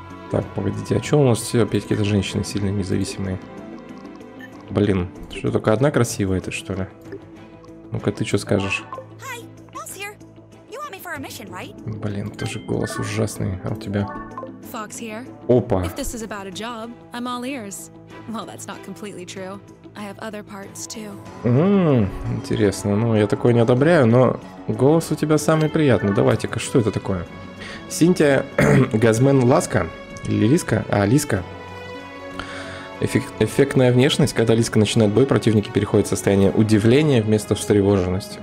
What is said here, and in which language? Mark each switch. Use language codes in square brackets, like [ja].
[ru] Так, погодите, а что у нас все опять какие-то женщины сильно независимые? Блин, что, только одна красивая-то, что ли? Ну-ка, ты что скажешь? Блин, тоже голос ужасный, а у тебя... [en] Fox here. [ru] Опа. [en] If this is about a job, I'm all ears. Well, that's not completely true. I have other parts too. [ru] Интересно. Ну, я такое не одобряю, но голос у тебя самый приятный. Давайте-ка, что это такое? Синтия Газмен Ласка? Или Лиска? А, Лиска. Эффектная внешность. Когда Лиска начинает бой, противники переходят в состояние удивления вместо встревоженности.